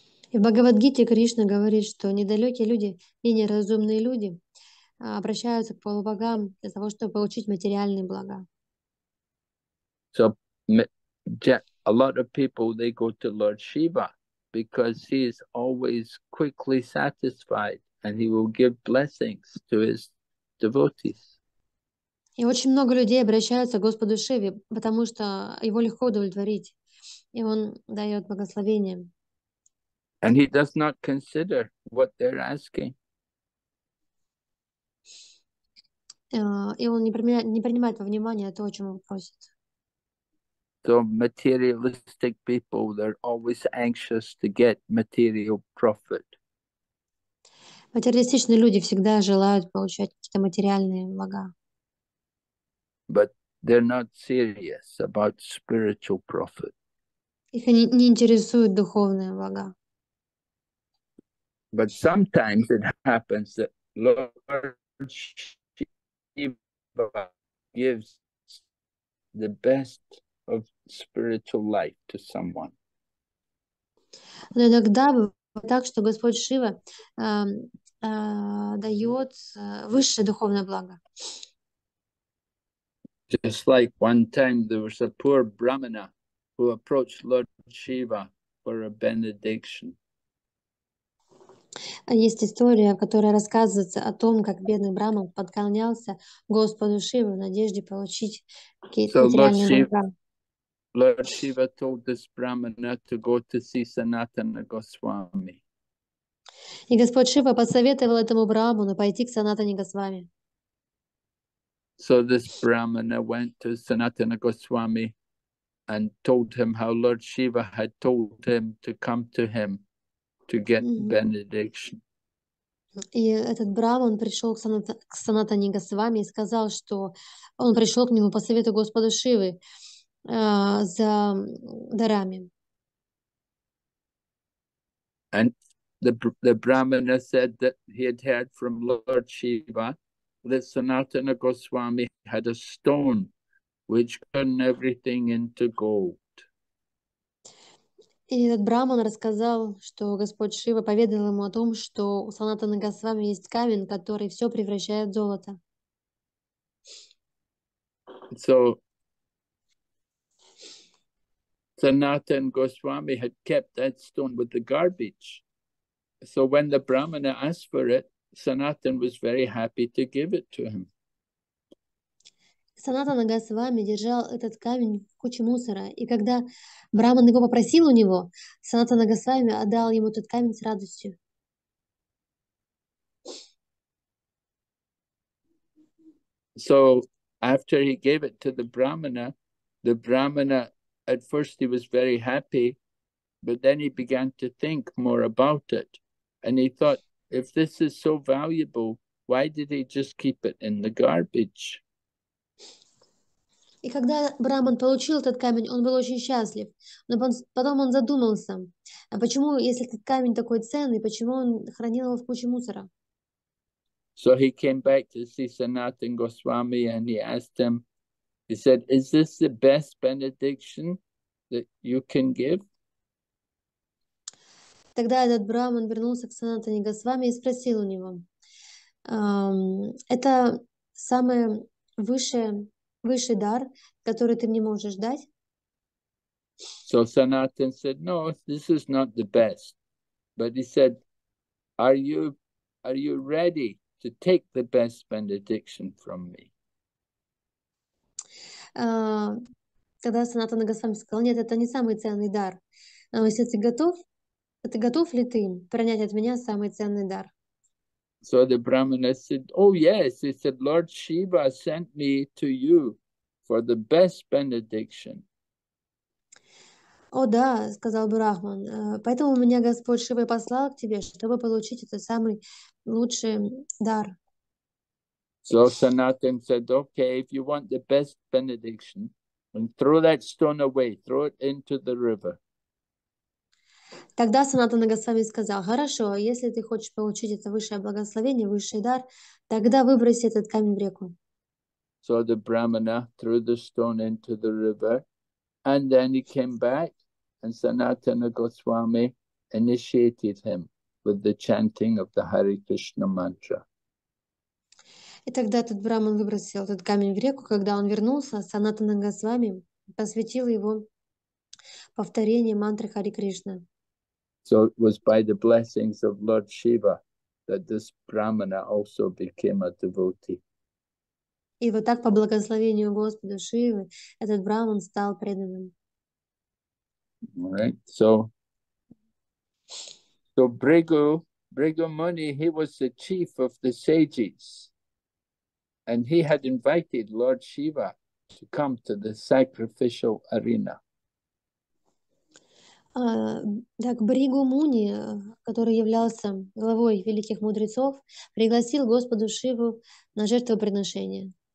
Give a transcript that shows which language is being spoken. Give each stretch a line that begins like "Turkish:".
Russian: И в Бхагавадгите Кришна говорит, что недалекие люди, менее разумные люди обращаются к полубогам для того, чтобы получить материальные блага.
English: So, a lot of people, they go to Lord Shiva because he is always quickly satisfied and he will give blessings to his devotees.
Russian: И очень много людей обращаются к Господу Шиве, потому что его легко удовлетворить, и он дает благословение.
English: And he does not consider what they're asking.
Russian: И он не принимает во внимание то, о чем он просит.
English: So materialistic people, they're always anxious to get material profit.
Russian: Материалистичные люди всегда желают получать какие-то материальные блага.
English: But they're not serious about spiritual profit.
Russian: Их не интересуют духовные блага.
English: But sometimes it happens that Lord Shiva gives the best of spiritual life to someone.
Russian: Но иногда бывает так, что Господь Шива дает высшее духовное благо.
English: Just like one time there was a poor Brahmana who approached Lord Shiva for a benediction.
Russian: Есть история, которая рассказывается о том, как бедный Брама поклонялся Господу Шиве в надежде получить какие-то материальные блага.
English: Lord Shiva told this Brahmana to go to see Sanatana Goswami.
Russian: И Господь Шива посоветовал этому Браману пойти к Санатане Госвами.
English: So this Brahmana went to Sanatana Goswami and told him how Lord Shiva had told him to come to him to get benediction.
Russian: И этот Браман пришел к Санатане Госвами и сказал, что он пришел к нему по совету Господа Шивы за дарами.
English: And the Brahmana said that he had heard from Lord Shiva that Sanatana Goswami had a stone which turned everything into gold.
Russian: И этот Браман рассказал, что Господь Шива поведал ему о том, что у Санатаны Госвами есть камень, который все превращает в золото.
English: So Sanatana Goswami had kept that stone with the garbage. So when the Brahmana asked for it, Sanatan was very happy to give it to him.
Russian: Санатана Госвами держал этот камень в куче мусора, и когда Браман его попросил у него, Санатана Госвами отдал ему этот камень с радостью.
English: So after he gave it to the Brahmana at first he was very happy, but then he began to think more about it. And he thought, if this is so valuable, why did he just keep it in the garbage?
Russian: И когда Браман получил этот камень, он был очень счастлив. Но потом он задумался, а почему, если этот камень такой ценный, почему он хранил его в куче мусора?
English: So he came back to see Sanatan Goswami and he asked him, he said, is this the best benediction that you can give?
Russian: Тогда этот Браман вернулся к Санатане Госвами и спросил у него, это самое высший дар, который ты мне можешь дать?
English: So Sanatan said, no, this is not the best. But he said, are you ready to take the best benediction from me?
Russian: Тогда Санатана Госвами сказал, нет, это не самый ценный дар. Но если ты готов, ты готов ли ты принять от меня самый ценный дар?
English: So the Brahmana said, oh yes, he said, Lord Shiva sent me to you for the best benediction.
Russian: О да, сказал Брахман, поэтому меня Господь Шива послал к тебе, чтобы получить этот самый лучший дар.
English: So Sanatan said, okay, if you want the best benediction, then throw that stone away, throw it into the river.
Russian: Тогда Санатана Госвами сказал, хорошо, если ты хочешь получить это высшее благословение, высший дар, тогда выброси этот камень в реку.
English: So the Brahmana threw the stone into the river, and then he came back, and Sanatana Goswami initiated him with the chanting of the Hare Krishna mantra.
Russian: И тогда этот Браман выбросил этот камень в реку, когда он вернулся, Санатана Госвами посвятил его повторение мантры Хари Кришна.
English: So it was by the blessings of Lord Shiva that this Brahmana also became a devotee.
Russian: И вот так, по благословению Господа Шивы, этот Браман стал преданным.
English: All right. So Bhrigu Muni, he was the chief of the sages. And he had invited Lord Shiva to come to the sacrificial arena.
Russian: Так Бригу Муни, который являлся главой великих мудрецов, пригласил Господу Шиву на жертвоприношение.